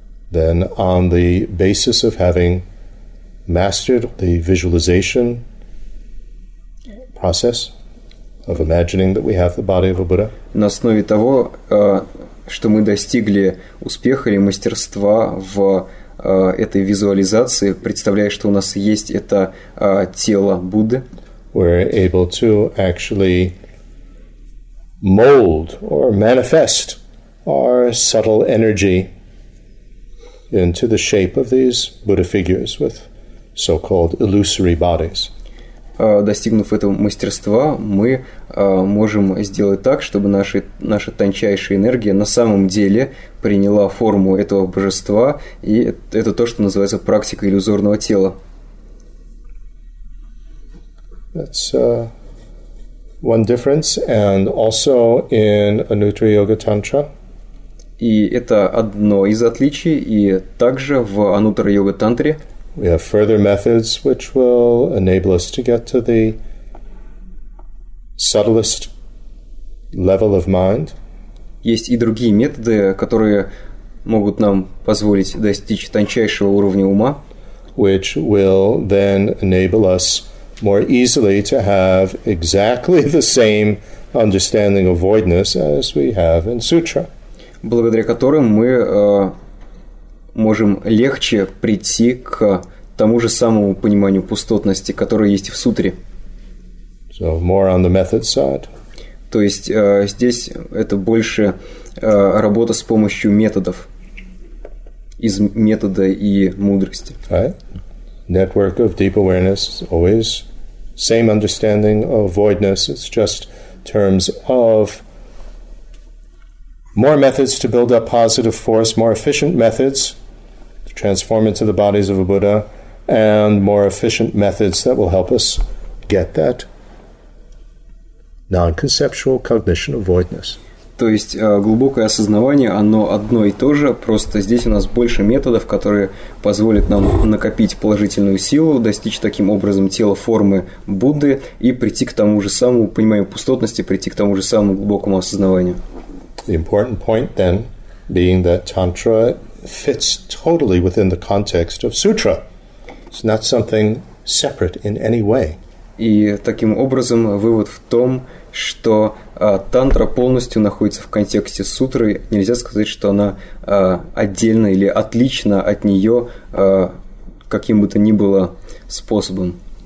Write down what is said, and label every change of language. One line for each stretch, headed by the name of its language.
English: Then on the basis of having mastered the visualization process. Of imagining that we have the body of a Buddha.
Russian: На основе того, что мы достигли успеха или мастерства в этой визуализации, представляя, что у нас есть это тело Будды.
English: We're able to actually mold or manifest our subtle energy into the shape of these Buddha figures with so-called illusory bodies.
Russian: Достигнув этого мастерства, мы можем сделать так, чтобы наша тончайшая энергия на самом деле приняла форму этого божества, и это то, что называется практика иллюзорного тела.
English: That's one difference, and also in a Nutri Yoga Tantra.
Russian: И это одно из отличий, и также в Анутра Йога Тантре.
English: We have further methods which will enable us to get to the subtlest level of mind.
Russian: Есть и другие методы, которые могут нам позволить достичь тончайшего уровня ума.
English: Which will then enable us more easily to have exactly the same understanding of voidness as we have in sutra.
Russian: Благодаря которым мы можем легче прийти к тому же самому пониманию пустотности, которое есть в сутре.
English: So more on the method side.
Russian: То есть здесь это больше работа с помощью методов, из метода и мудрости.
English: Right. Network of deep awareness is always same understanding of voidness. It's just terms of more methods to build up positive force, more efficient methods to transform into the bodies of a Buddha, and more efficient methods that will help us get that non-conceptual cognition of voidness.
Russian: То есть глубокое осознавание, оно одно и то же, просто здесь у нас больше методов, которые позволят нам накопить положительную силу, достичь таким образом тела формы Будды и прийти к тому же самому пониманию пустотности, прийти к тому же самому глубокому осознаванию.
English: The important point then being that Tantra fits totally within the context of Sutra. It's not something separate in any way.
Russian: И таким образом вывод в том, что тантра полностью находится в контексте сутры. Нельзя сказать, что она отдельна или отлична от нее каким бы то ни было способом.